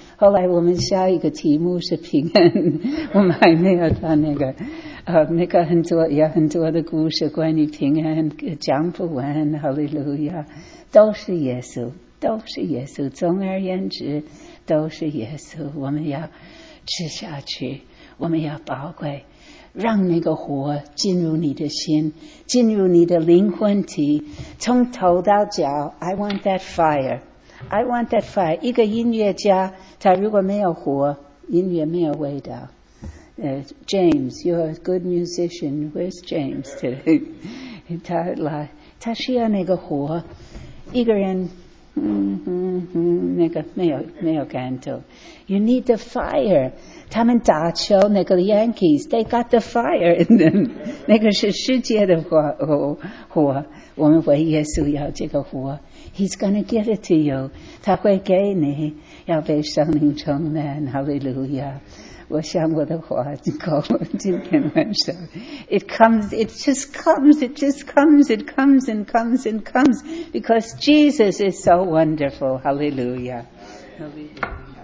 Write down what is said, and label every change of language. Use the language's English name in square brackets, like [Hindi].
[Chinese] 后来我们下一个题目是平安，我们还没有到那个，那个很多有很多的故事关于平安，讲不完。哈利路亚！都是耶稣。都是耶稣，总而言之，都是耶稣。我们要吃下去，我们要宝贵，让那个火进入你的心，进入你的灵魂体，从头到脚。 [English] I want that fire, I want that fire。 [Chinese] 一个音乐家，他如果没有火，音乐没有味道。 [English] James, you're a good musician. Where's James today? [Chinese] 他需要那个火，一个人。那个没有感动。 [English] You need the fire. [Chinese] 他们打球那个 [English] Yankees, they got the fire in them. [Chinese] 那个是世界的火。我们为耶稣要这个火。 [English] He's gonna give it to you. [Chinese] 他会给你。要被圣灵充满。 [English] Hallelujah. [Chinese] 我想我的火够了今天晚上。 [English] It just comes and comes because Jesus is so wonderful. Hallelujah. Hallelujah.